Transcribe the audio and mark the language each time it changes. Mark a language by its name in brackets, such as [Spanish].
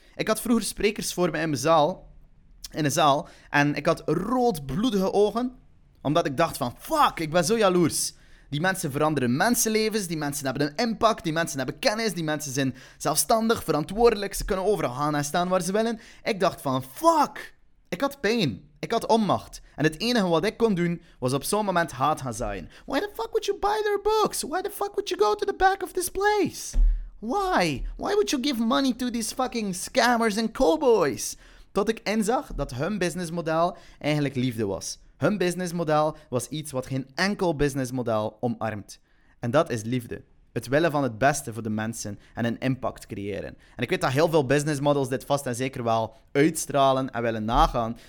[Dutch] Ik had vroeger sprekers voor me in mijn zaal, en ik had roodbloedige ogen, omdat ik dacht van, fuck, ik ben zo jaloers. Die mensen veranderen mensenlevens, die mensen hebben een impact, die mensen hebben kennis, die mensen zijn zelfstandig, verantwoordelijk, ze kunnen overal gaan en staan waar ze willen. Ik dacht van, fuck, ik had pijn, ik had onmacht. En het enige wat ik kon doen, was op zo'n moment haat gaan zaaien. [English] Why the fuck would you buy their books? Why the fuck would you go to the back of this place? Why? Why would you give money to these fucking scammers and cowboys? [Dutch] Tot ik inzag dat hun businessmodel eigenlijk liefde was. Hun businessmodel was iets wat geen enkel businessmodel omarmt. En dat is liefde. Het willen van het beste voor de mensen en een impact creëren. En ik weet dat heel veel businessmodels dit vast en zeker wel uitstralen en willen nagaan.